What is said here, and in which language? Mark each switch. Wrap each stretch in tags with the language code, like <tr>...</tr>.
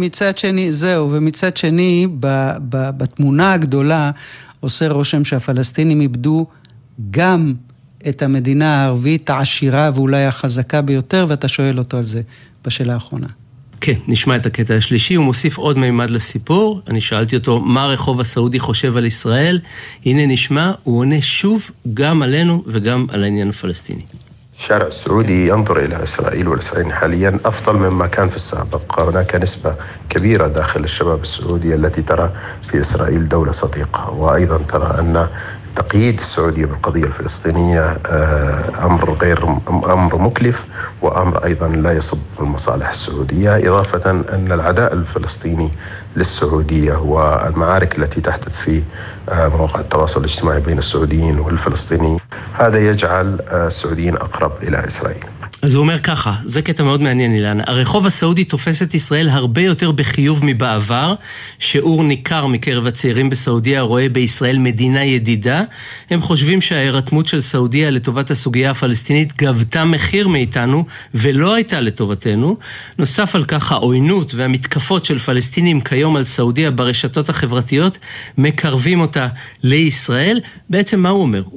<he>מצד שני, זהו, ומצד שני, בתמונה הגדולה, עושה רושם שהפלסטינים איבדו גם את המדינה הערבית העשירה ואולי החזקה ביותר, ואתה שואל אותו על זה בשאלה האחרונה. כן, נשמע את הקטע השלישי, הוא מוסיף עוד מימד לסיפור, אני שאלתי אותו מה רחוב הסעודי חושב על ישראל, הנה נשמע, הוא עונה שוב גם עלינו וגם על העניין הפלסטיני.</he> <ar>الشارع السعودي ينظر إلى إسرائيل والإسرائيليين حاليا أفضل مما كان في السابق، هناك نسبة كبيرة داخل الشباب السعودي التي ترى في إسرائيل دولة صديقة، وأيضا ترى أن تقييد السعودية بالقضية الفلسطينية أمر مكلف وأمر أيضا لا يصب المصالح السعودية، إضافة أن العداء الفلسطيني للسعودية والمعارك التي تحدث في مواقع التواصل الاجتماعي بين السعوديين والفلسطينيين هذا يجعل السعوديين أقرب إلى إسرائيل.</ar> <he>אז הוא אומר ככה, זה קטע מאוד מעניין אילנה, הרחוב הסעודי תופס את ישראל הרבה יותר בחיוב מבעבר, שיעור ניכר מקרב הצעירים בסעודיה רואה בישראל מדינה ידידה, הם חושבים שההירתמות של סעודיה לטובת הסוגיה הפלסטינית גבתה מחיר מאיתנו ולא הייתה לטובתנו, נוסף על כך העוינות והמתקפות של פלסטינים כיום על סעודיה ברשתות החברתיות מקרבים אותה לישראל, בעצם מה הוא אומר?</he>